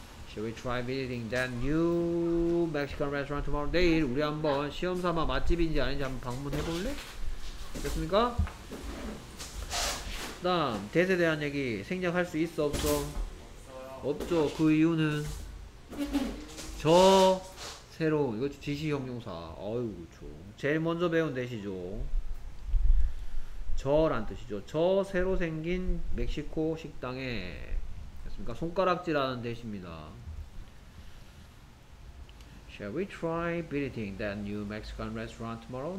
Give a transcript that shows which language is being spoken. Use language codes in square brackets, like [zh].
[en] Shall we try visiting that new Mexican restaurant tomorrow? [ko] 내일 우리 한번 시험삼아 맛집인지 아닌지 한번 방문해볼래? 됐습니까? 다음, 대세 대한 얘기. 생략할 수 있어 없어? 없죠. 그 이유는 저 새로운 이거 지시 형용사. 어유 그렇죠. 제일 먼저 배운 대시죠. 저란 뜻이죠. 저 새로 생긴 멕시코 식당에. 됐습니까? 손가락질하는 대시입니다. [en] Shall we try visiting that new Mexican restaurant tomorrow?